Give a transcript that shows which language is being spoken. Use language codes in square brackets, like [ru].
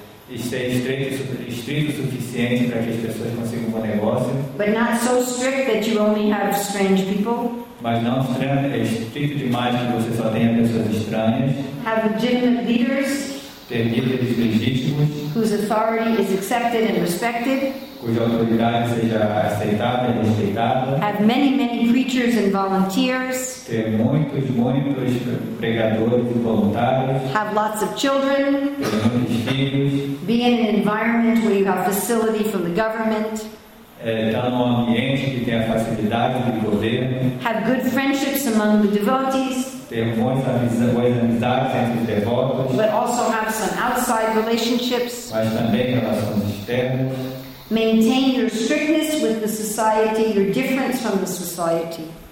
[pt] estrito suficiente para que as pessoas consigam um bom negócio. [en] But not so strict that you only have strange people. [pt] Mas não estrito demais que você só tenha pessoas estranhas. [en] Have legitimate leaders. [pt] Ter líderes legítimos. [en] Whose authority is accepted and respected. [pt] Cuja autoridade seja aceitada e respeitada. [en] Have many, many preachers and volunteers. [pt] Ter muitos, muitos pregadores e voluntários. [en] Have lots of children. [pt] Ter muitos filhos. [en] Be in an environment where you have facility from the government. [pt] Estar num ambiente que tenha facilidade de governo. [en] Have good friendships among the devotees. [pt] Ter boas amizades entre os devotos. [en] But also have some outside relationships. [pt] Mas também relações externas. [en] Maintain your strictness with the society, your difference from the society.